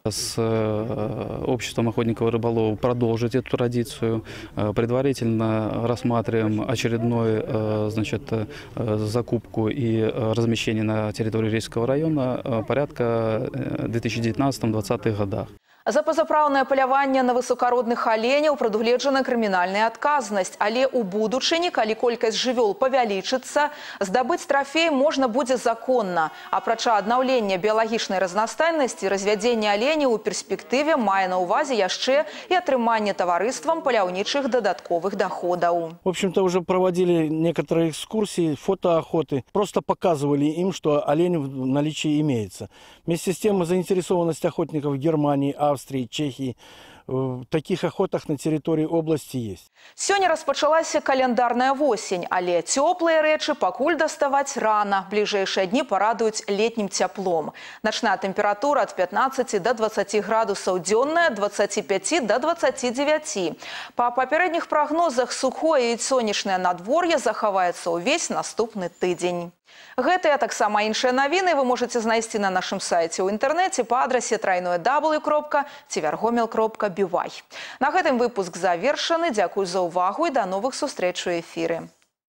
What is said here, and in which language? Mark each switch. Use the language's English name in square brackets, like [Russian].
[Russian] С обществом охотников и рыболов продолжить эту традицию. Предварительно рассматриваем очередную, значит, закупку и размещение на территории Рейского района порядка 2019-2020 годах. [Belarusian] За пазаправнае паляванне на высокародных аленяў прадугледжана крымінальная адказнасць, але ў будучыні, калі колькасць жывёл павялічыцца, здабыць трафей можна будзе законна. Апрача аднаўлення біялагічнай разнастайнасці, развядзенне аленяў у перспектыве мае на ўвазе яшчэ і атрыманне таварыствам паляўнічых дадатковых даходаў. [Russian] В общем-то, уже проводили некоторые экскурсии, фотоохоты, просто показывали им, что олень в наличии имеется. Вместе с тем, заинтересованность охотников в Германии, Австрии, Чехии, в таких охотах на территории области есть. [Belarusian] Сёння распачалася календарная осень, але тёплыя рэчы пакуль даставаць рана. Бліжэйшыя дні парадуюць летнім цяплом. Начная тэмпература ад 15 да 20 градусаў, дзённая ад 25 да 29. Па папярэдніх прагнозах сухое і сонечнае надвор'е захаваецца ўвесь наступны тыдзень. Гэтыя таксама іншыя навіны вы можаце знайсці на нашым сайце ў інтэрнэце па адрасе www.tvergomel.by. На гэтым выпуск завершаны. Дзякую за увагу і да новых сустрэч у эфіры.